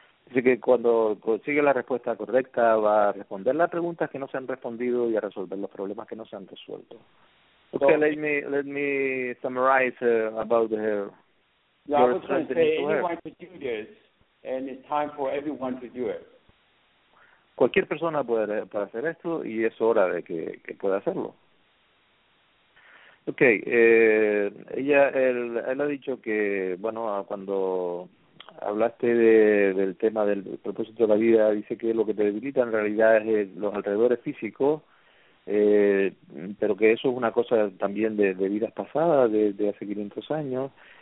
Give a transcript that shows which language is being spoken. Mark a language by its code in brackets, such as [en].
[es] Así que cuando consigue la respuesta correcta, va a responder las preguntas que no se han respondido y a resolver los problemas que no se han resuelto. [en] Okay, so, let me summarize about the her. Yeah, I was going to say, anyone can do this, and it's time for everyone to do it. [es] Cualquier persona puede hacer esto, y es hora de que pueda hacerlo. Okay, él ha dicho que, bueno, cuando hablaste del tema del propósito de la vida, dice que lo que te debilita en realidad es los alrededores físicos, pero que eso es una cosa también de vidas pasadas, de hace 500 años.